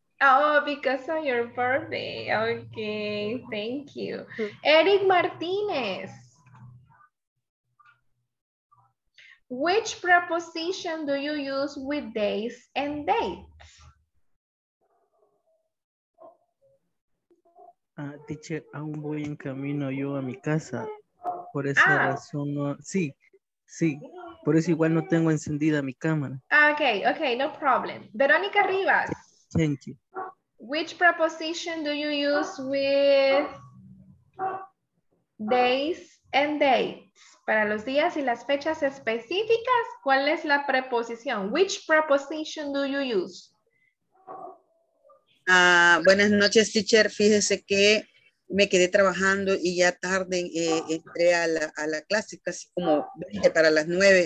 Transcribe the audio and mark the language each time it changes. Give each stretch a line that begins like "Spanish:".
English: Oh, because of your birthday. Okay, thank you. Eric Martinez. Which preposition do you use with days and dates?
Spanish: Teacher, aún voy en camino yo a mi casa. Por esa razón no... Sí, sí. Por eso igual no tengo encendida mi cámara.
English: Okay, okay, no problem. Verónica Rivas. Thank you. Which preposition do you use with days and dates?
Spanish: Para los días y las fechas específicas, ¿cuál es la preposición?
English: Which preposition do you use?
Spanish: Buenas noches, teacher. Fíjese que me quedé trabajando y ya tarde entré a la clase, casi como 20 para las 9.